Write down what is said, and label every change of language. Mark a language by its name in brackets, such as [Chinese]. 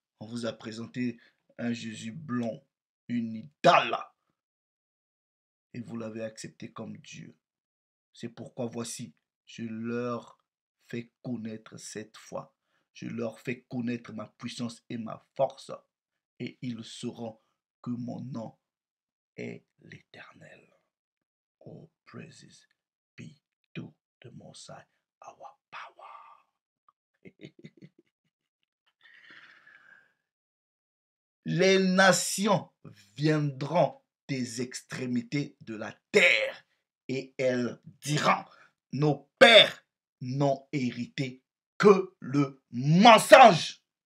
[French] On vous a présenté un Jésus blond, une idole, et vous l'avez accepté comme Dieu. C'est pourquoi voici, je leur fais connaître cette foi. Je leur fais connaître ma puissance et ma force. Et ils sauront que mon nom est l'Éternel. [English] Oh, praises be to the Most High, our power. [French] Les nations viendront des extrémités de la terre et elles diront, nos pères n'ont hérité que le mensonge.